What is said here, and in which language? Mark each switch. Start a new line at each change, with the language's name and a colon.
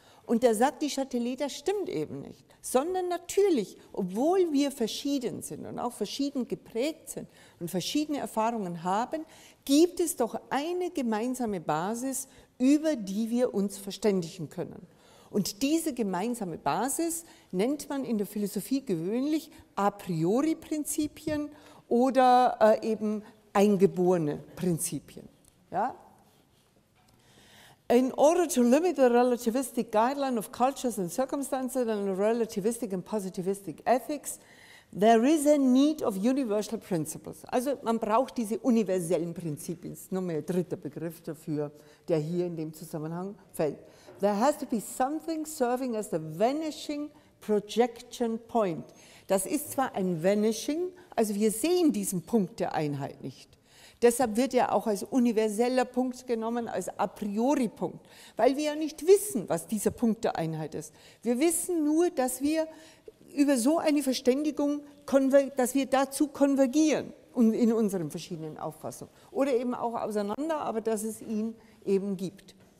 German: Und da sagt die Châtelet, das stimmt eben nicht. Sondern natürlich, obwohl wir verschieden sind und auch verschieden geprägt sind und verschiedene Erfahrungen haben, gibt es doch eine gemeinsame Basis, über die wir uns verständigen können. Und diese gemeinsame Basis nennt man in der Philosophie gewöhnlich a priori Prinzipien oder eben eingeborene Prinzipien. Ja?
English: In order to limit the relativistic guideline of cultures and circumstances and relativistic and positivistic ethics, there is a need of universal principles.
German: Also man braucht diese universellen Prinzipien, das ist nochmal ein dritter Begriff dafür, der hier in dem Zusammenhang fällt.
English: There has to be something serving as the vanishing projection point.
German: Das ist zwar ein vanishing, also wir sehen diesen Punkt der Einheit nicht. Deshalb wird er auch als universeller Punkt genommen, als a priori Punkt, weil wir ja nicht wissen, was dieser Punkt der Einheit ist. Wir wissen nur, dass wir über so eine Verständigung, dass wir dazu konvergieren in unseren verschiedenen Auffassungen oder eben auch auseinander, aber dass es ihn eben gibt.